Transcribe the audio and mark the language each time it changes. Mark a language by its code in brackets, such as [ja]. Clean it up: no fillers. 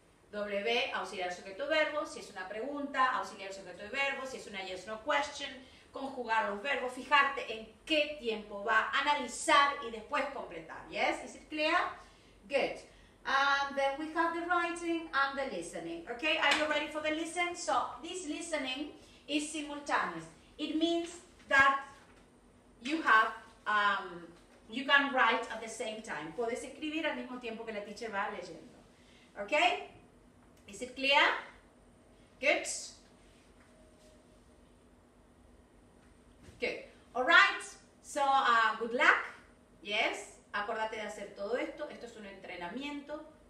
[es] W, auxiliar sujeto verbo, si es una pregunta, auxiliar sujeto verbo, si es una [en] yes no question, [es] conjugar los verbos, fijarte en qué tiempo va, analizar y después completar, yes? [en] Is it clear? Good. And then we have the writing and the listening, okay? Are you ready for the listen? So, this listening is simultaneous. It means that you have, you can write at the same time. [es] Puedes escribir al mismo tiempo que la teacher va leyendo. [en] Okay? Is it clear? Good. Good. All right. So, good luck. Yes. [es] Acordate de hacer todo esto. Esto es un entrenamiento.